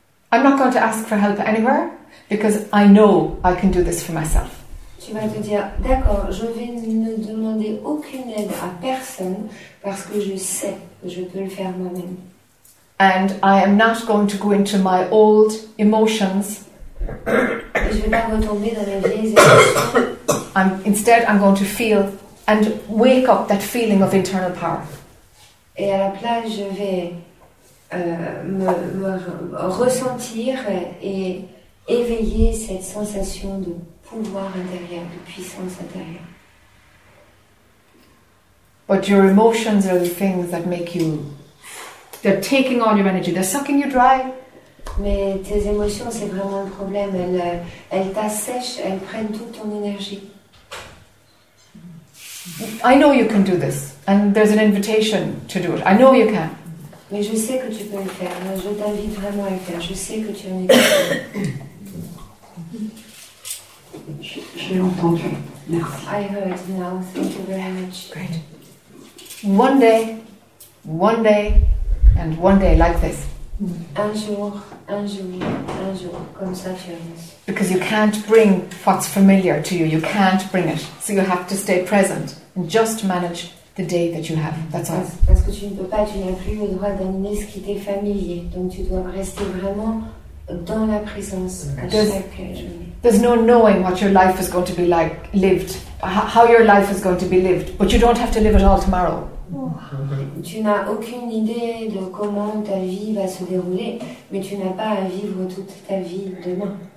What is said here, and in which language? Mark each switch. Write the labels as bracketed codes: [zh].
[en] I'm not going to ask for help anywhere because I know I can do this for myself. [fr] Tu vas te dire, d'accord, je vais ne demander aucune aide à personne parce que je sais. Je peux le faire moi-même. [en] And I am not going to go into my old emotions. [fr] Et je vais pas retomber dans mes vieilles émotions. [en] I'm going to feel and wake up that feeling of internal power. [fr] Et à la place, je vais me ressentir et éveiller cette sensation de pouvoir intérieur, de puissance intérieure. [en] But your emotions are the things that make you... They're taking all your energy. They're sucking you dry. [fr] Mais tes émotions, c'est vraiment le problème. Elles t'assèchent. Elles prennent toute ton énergie. [en] I know you can do this. And there's an invitation to do it. I know you can. [fr] Mais je sais que tu peux le faire. Mais je t'invite vraiment à le faire. Je sais que tu en es capable. J'ai entendu. Merci. [en] I heard now. Thank you very much. Great. One day, and one day like this. [fr] Un jour, un jour, un jour, comme ça, tu es. [en] Because you can't bring what's familiar to you. You can't bring it. So you have to stay present and just manage the day that you have. That's all. [fr] Parce que tu ne peux pas, tu n'as plus le droit d'amener ce qui t'est familier. Donc tu dois rester vraiment dans la présence de chaque journée. [en] There's no knowing what your life is going to be like, lived, how your life is going to be lived, but you don't have to live it all tomorrow. [fr] Tu n'as aucune idée de comment ta vie va se dérouler, mais tu n'as pas à vivre toute ta vie demain.